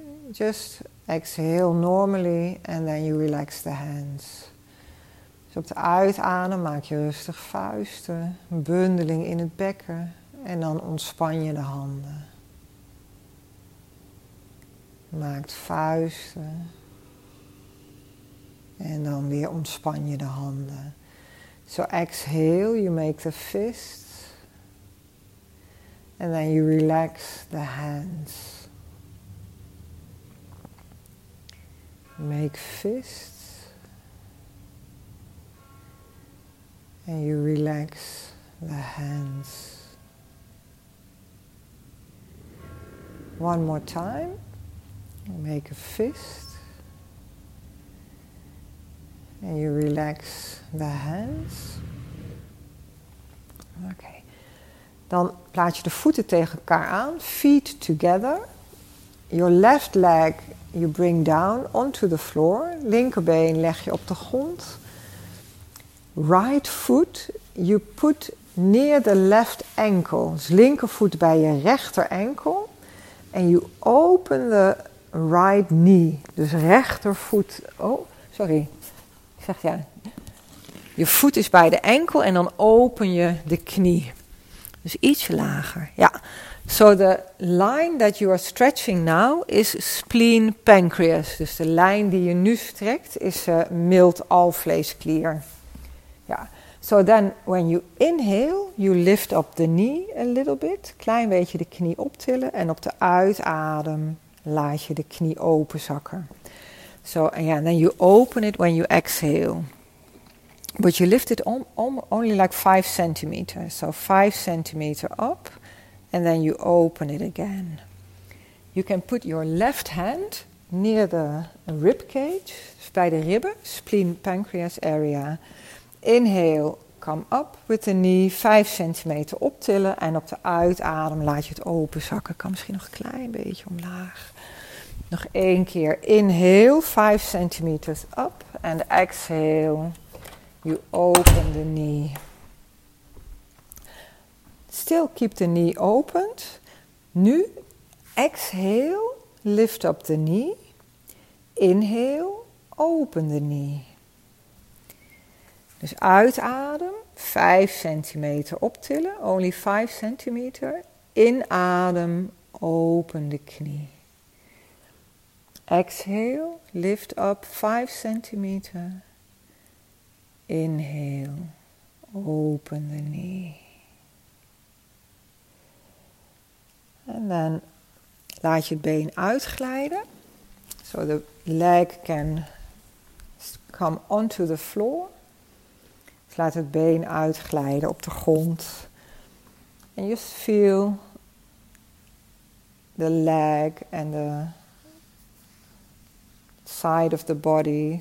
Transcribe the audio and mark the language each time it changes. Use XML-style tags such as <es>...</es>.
<en>Just exhale normally and then you relax the hands.</en> <nl>Dus op de uitadem maak je rustig vuisten. Een bundeling in het bekken. En dan ontspan je de handen. Maak vuisten. En dan weer ontspan je de handen.</nl> <en>So exhale, you make the fists. And then you relax the hands. Make fists. And you relax the hands. One more time. Make a fist. And you relax the hands. Okay.</en> <nl>Dan plaats je de voeten tegen elkaar aan.</nl> <en>Feet together. Your left leg you bring down onto the floor.</en> <nl>Linkerbeen leg je op de grond.</nl> <en>Right foot you put near the left ankle.</en> <nl>Dus linkervoet bij je rechter enkel.</nl> <en>And you open the right knee.</en> <nl>Dus rechtervoet. Oh, sorry. Ik zeg ja, je voet is bij de enkel en dan open je de knie. Dus ietsje lager, ja.</nl> <en>So the line that you are stretching now is spleen pancreas.</en> <nl>Dus de lijn die je nu strekt is mild alvleesklier. Ja.</nl> <en>So then when you inhale, you lift up the knee a little bit.</en> <nl>Klein beetje de knie optillen en op de uitadem laat je de knie openzakken.</nl> <en>So, yeah, and then you open it when you exhale. But you lift it only like 5 centimeters. So 5 centimeters up, and then you open it again. You can put your left hand near the rib cage, by the ribben, spleen, pancreas area. Inhale, come up with the knee,</en> <nl>5 centimeter optillen. En op de uitadem laat je het open zakken. Kan misschien nog een klein beetje omlaag. Nog 1 keer.</nl> <en>Inhale, 5 centimeters up. En exhale, you open the knee. Still keep the knee open. Nu, exhale, lift up the knee. Inhale, open the knee.</en> <nl>Dus uitadem, 5 centimeter optillen.</nl> <en>Only 5 centimeter.</en> <nl>Inadem, open de knie.</nl> <en>Exhale, lift up 5 centimeter. Inhale, open the knee.</en> <nl>En dan laat je het been uitglijden.</nl> <en>So the leg can come onto the floor.</en> <nl>Dus laat het been uitglijden op de grond.</nl> <en>And just feel the leg and the side of the body.</en>